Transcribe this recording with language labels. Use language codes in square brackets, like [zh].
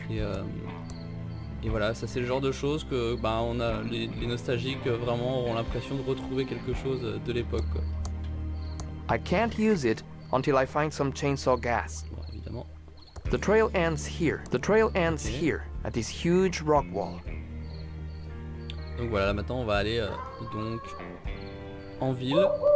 [fr] Et voilà, ça c'est le genre de choses que on a les nostalgiques vraiment ont l'impression de retrouver quelque chose de l'époque. [en] I can't use it until I find some chainsaw gas. [fr] Bon, évidemment. [en] The trail ends here. The trail ends here at this huge rock wall. [fr] Donc voilà, maintenant on va aller donc en ville.